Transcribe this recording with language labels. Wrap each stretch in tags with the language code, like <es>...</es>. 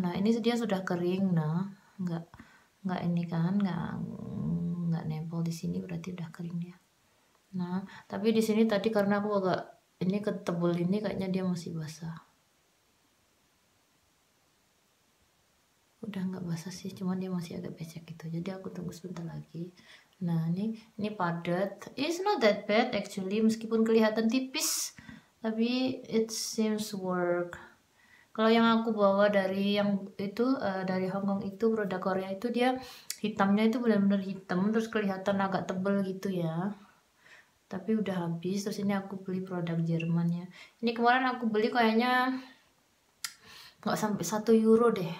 <id>Nah ini dia sudah kering. Nah nggak ini kan nggak nempel di sini, berarti udah kering dia. Nah, tapi di sini tadi karena aku agak ini ketebel ini kayaknya dia masih basah. Udah nggak basah sih, cuman dia masih agak becek gitu. Jadi aku tunggu sebentar lagi. Nah, ini padat.</id> <en>It's not that bad actually,</en> <id>meskipun kelihatan tipis, tapi</id> <en>it seems work.</en> <id>Kalau yang aku bawa dari yang itu dari Hong Kong itu, produk Korea itu, dia hitamnya itu benar-benar hitam, terus kelihatan agak tebel gitu ya. Tapi udah habis. Terus ini aku beli produk Jerman ya. Ini kemarin aku beli kayaknya nggak sampai 1 euro deh.</id>